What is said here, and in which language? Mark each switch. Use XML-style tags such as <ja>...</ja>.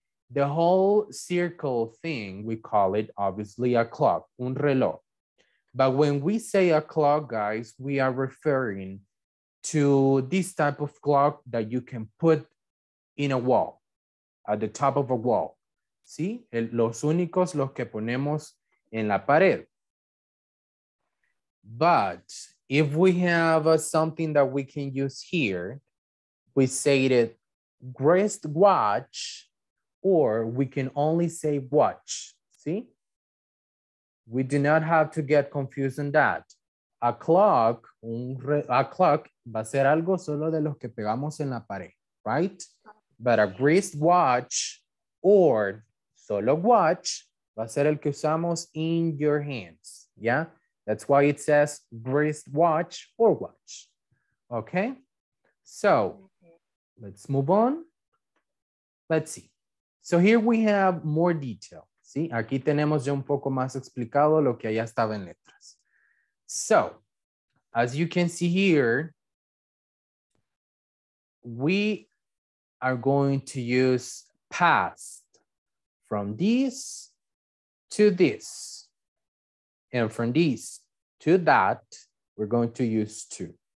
<en>The whole circle thing, we call it obviously a clock,</en> <es>un reloj.</es> <en>But when we say a clock, guys, we are referring to this type of clock that you can put in a wall, at the top of a wall.</en> <es>¿Sí? Los únicos los que ponemos en la pared.</es> <en>But if we have something that we can use here, we say it wristwatch, or we can only say watch. See? We do not have to get confused on that.</en> <es>A clock, a clock va a ser algo solo de los que pegamos en la pared,</es> <en>right? But a wristwatch or</en> <es>solo</es> <en>watch</en> <es>va a ser el que usamos</es> <en>in your hands, yeah? That's why it says wristwatch or watch, okay? So let's move on. Let's see. So here we have more detail.</en> <es>¿Sí? Aquí tenemos ya un poco más explicado lo que allá estaba en letras.</es> <en>So as you can see here, we are going to use past from this to this and from this to that, we're going to use to.</en>